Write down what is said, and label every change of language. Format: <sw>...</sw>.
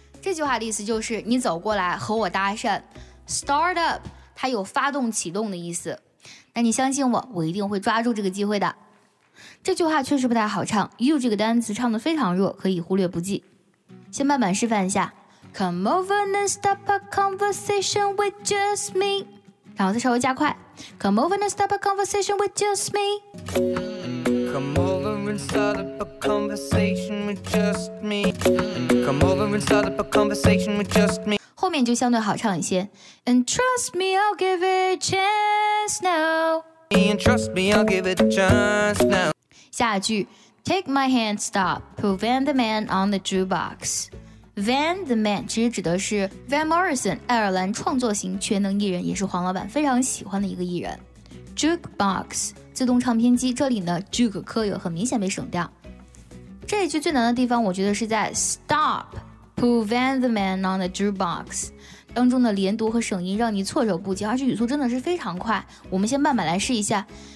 <zh>这句话的意思就是你走过来和我搭讪， start up 它有发动启动的意思，那你相信我，我一定会抓住这个机会的。这句话确实不太好唱， you 这个单词唱得非常弱，可以忽略不计。先慢慢示范一下。</zh> <en>Come over and stop a conversation with just me，</en> <zh>然后再稍微加快。</zh> <en>Come over and stop a conversation with just me. Come over and start up a conversation with just me. Come over and start up a conversation with just me.</en> <zh>后面就相对好唱一些。</zh> <en>And trust me, I'll give it a chance. And trust me, I'll give it a chance now.</en> <zh>下一句</zh> <en>Take my hand, stop, prevent the man on the jukebox.</en> <zh>Van the Man 其实指的是 Van Morrison 爱尔兰创作型全能艺人也是黄老板非常喜欢的一个艺人 Jukebox 自动唱片机这里呢 Juke 科有很明显被省掉这一句最难的地方我觉得是在</zh> <en>Stop Put Van the Man on the Jukebox</en> <zh>当中的连读和省音让你措手不及而且语速真的是非常快我们先慢慢来试一下</zh>